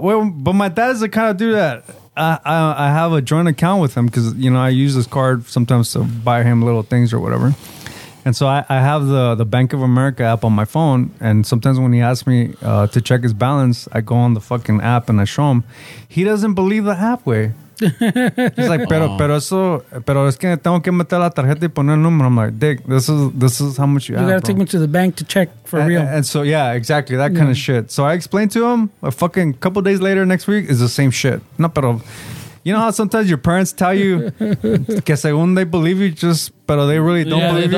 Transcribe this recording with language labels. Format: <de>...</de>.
<en>Well, but my dad is the kind of dude that I have a joint account with him because, you know, I use his card sometimes to buy him little things or whatever. And so I have the Bank of America app on my phone. And sometimes when he asks me to check his balance, I go on the fucking app and I show him. He doesn't believe the app way.</en> <es>He's like, pero es que tengo que meter la tarjeta y poner el número.</es> <en>I'm like, dick, this is how much you have. You gotta take me to the bank to check for and, real. And so, yeah, exactly, that kind of shit. So I explained to him, a fucking couple days later next week is the same shit. No, pero, you know how sometimes your parents tell you,</en> <es>que según</es> <en>they believe you, just, pero they really don't believe you?</en>